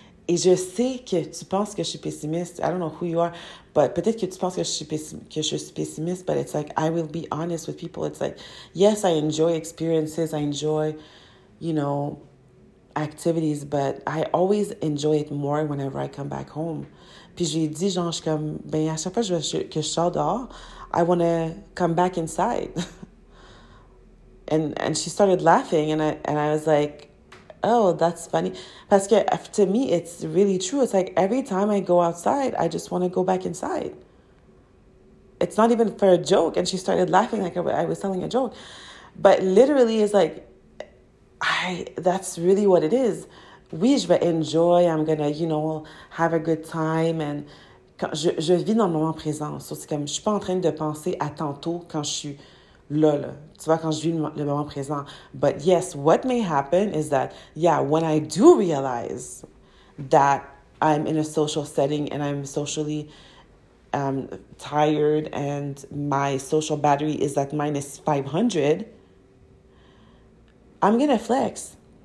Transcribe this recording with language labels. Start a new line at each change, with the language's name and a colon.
French: Et je sais que tu penses que je suis pessimiste.
English: I don't know who you are, but
French: peut-être que tu penses que je suis pessimiste,
English: but it's like, I will be honest with people. It's like, yes, I enjoy experiences. I enjoy, you know, activities, but I always enjoy it more whenever I come back home.
French: Puis j'ai dit, genre, je suis comme, ben, à chaque fois que je sors dehors,
English: I want to come back inside. And she started laughing, and I was like, oh, that's funny.
French: Parce que
English: to me, it's really true. It's like every time I go outside, I just want to go back inside. It's not even for a joke. And she started laughing like I was telling a joke. But literally, it's like, that's really what it is.
French: Oui, je vais
English: enjoy. I'm going to, you know, have a good time. And
French: quand je vis dans le moment présent. So, c'est comme, je suis pas en train de penser à tantôt quand je suis là. Tu vois, quand je vis le moment présent.
English: But yes, what may happen is that, yeah, when I do realize that I'm in a social setting and I'm socially tired and my social battery is at minus 500, I'm going to flex.